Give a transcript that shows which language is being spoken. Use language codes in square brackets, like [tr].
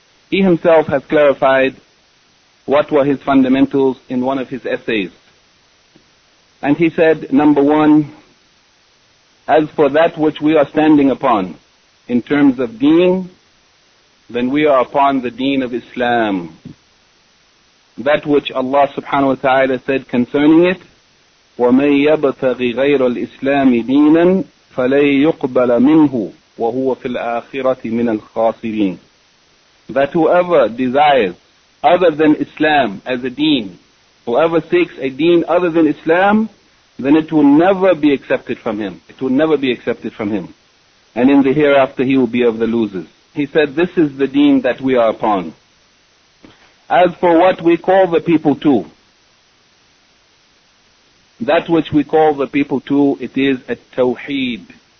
[en] He himself has clarified what were his fundamentals in one of his essays. And he said, number one, as for that which we are standing upon in terms of deen, then we are upon the deen of Islam. That which Allah subhanahu wa ta'ala said concerning it, [ar] وَمَنْ يَبْتَغِ غَيْرَ الْإِسْلَامِ دِينًا فَلَنْ يُقْبَلَ مِنْهُ وَهُوَ فِي الْآخِرَةِ مِنَ الْخَاسِرِينَ. [en] That whoever desires other than Islam as a deen, whoever seeks a deen other than Islam, then it will never be accepted from him. It will never be accepted from him. And in the hereafter he will be of the losers. He said, this is the deen that we are upon. As for what we call the people to, that which we call the people to, it is a tawheed.